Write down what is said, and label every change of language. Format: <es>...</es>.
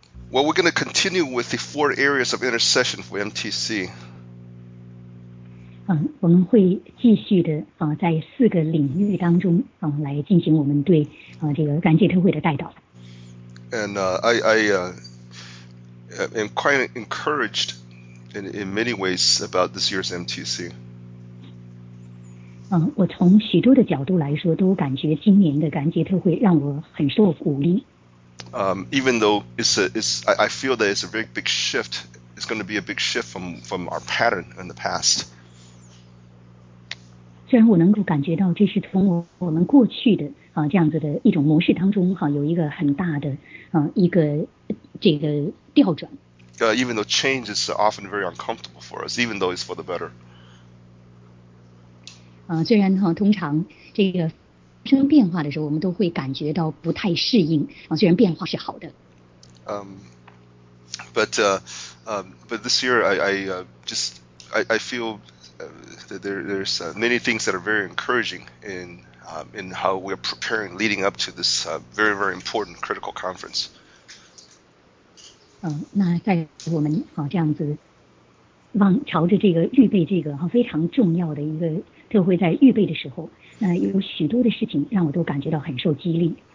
<en>Well, we're going to continue with the four areas of intercession for MTC.</en> <zh>我们会继续的在四个领域当中来进行我们对这个感谢特会的代祷。</zh> <en>And I am quite encouraged in many ways about this year's MTC.</en> <zh>我从许多的角度来说，都感觉今年的感谢特会让我很受鼓励。</zh> <en>Even though I feel that it's a very big shift, it's going to be a big shift from our pattern in the past.</en> <zh>虽然我能够感觉到这是从我们过去的这样子的一种模式当中有一个很大的一个这个调转。</zh> <en>Even though change is often very uncomfortable for us, even though it's for the better.</en> <zh>虽然通常这个发生变化的时候，我们都会感觉到不太适应虽然变化是好的。</zh> <en>But this year I feel. There's many things that are very encouraging in how we're preparing leading up to this very, very important critical conference.</en> <zh>那在我们这样子往朝着这个预备这个非常重要的一个特会在预备的时候，那有许多的事情让我都感觉到很受激励。</zh>